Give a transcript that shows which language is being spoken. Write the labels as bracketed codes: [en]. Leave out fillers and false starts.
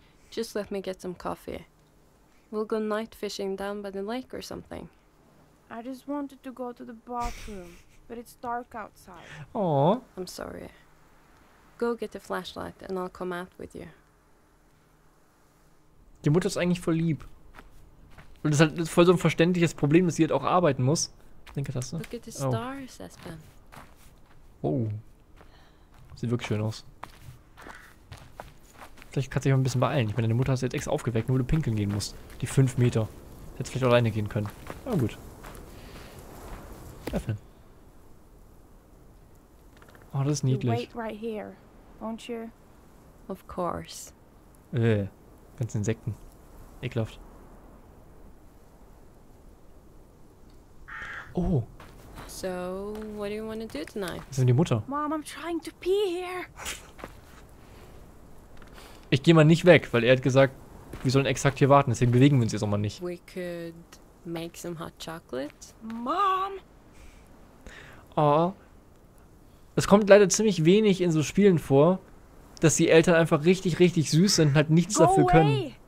[en] Just let me get some coffee. We'll go night fishing down by the lake or something. I just wanted to go to the bathroom. But it's dark outside. Aww. I'm sorry. Go get the flashlight and I'll come out with you. [de] Die Mutter ist eigentlich voll lieb. Und das ist halt voll so ein verständliches Problem, dass sie halt auch arbeiten muss. Ich denke, das so. [en] Look at the stars, Aspen. [de] Oh. Sieht wirklich schön aus. Vielleicht kannst du dich mal ein bisschen beeilen. Ich meine, deine Mutter hat sie jetzt extra aufgeweckt, nur wo du pinkeln gehen musst. Die 5 Meter. Hättest vielleicht alleine gehen können. Aber gut. Öffnen. Oh, das ist niedlich. [en] You wait right here, won't you? Of course. [de] Ganz Insekten. Ekelhaft. Oh. [en] So, what do you want to do tonight? [de] Das ist die Mutter. [en] Mom, I'm trying to pee here. [de] Ich gehe mal nicht weg, weil er hat gesagt, wir sollen exakt hier warten. Deswegen bewegen wir uns jetzt auch mal nicht. [en] We could make some hot chocolate. Mom! Oh. [de] Es kommt leider ziemlich wenig in so Spielen vor, dass die Eltern einfach richtig, richtig süß sind und halt nichts dafür können.